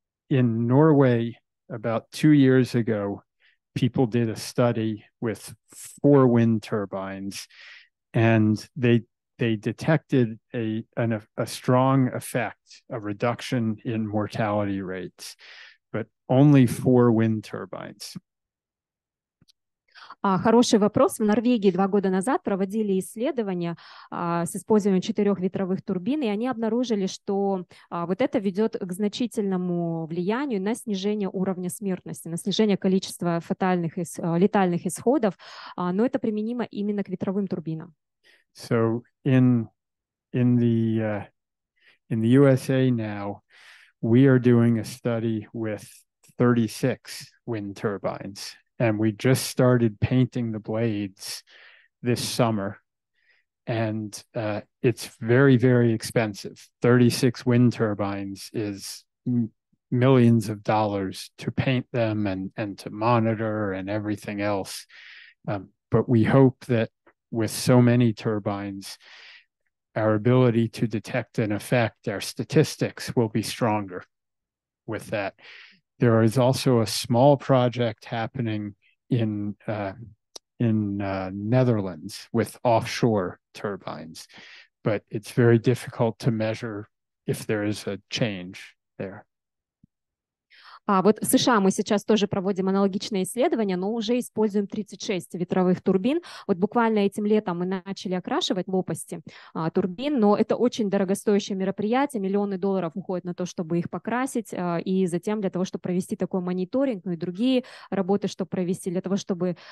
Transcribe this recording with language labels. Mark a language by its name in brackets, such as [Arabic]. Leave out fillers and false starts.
[English] In Norway, about 2 years ago, people did a study with 4 wind turbines, and they detected a strong effect, a reduction in mortality rates, but only 4 wind turbines. [Russian] Хороший вопрос. В Норвегии 2 года назад проводили исследования с использованием 4 ветровых турбин, и они обнаружили, что вот это ведет к значительному влиянию на снижение уровня смертности, на снижение количества фатальных, летальных исходов, но это применимо именно к ветровым турбинам. [English] So in the USA now, we are doing a study with 36 wind turbines. And we just started painting the blades this summer. And it's very, very expensive. 36 wind turbines is millions of dollars to paint them and to monitor and everything else. But we hope that with so many turbines, our ability to detect an effect, our statistics will be stronger with that. There is also a small project happening in Netherlands with offshore turbines, but it's very difficult to measure if there is a change there. [Russian] Вот в США мы сейчас тоже проводим аналогичные исследования, но уже используем 36 ветровых турбин. Вот буквально этим летом мы начали окрашивать лопасти турбин, но это очень дорогостоящее мероприятие. Миллионы долларов уходят на то, чтобы их покрасить, и затем для того, чтобы провести такой мониторинг, ну и другие работы, чтобы провести, для того, чтобы...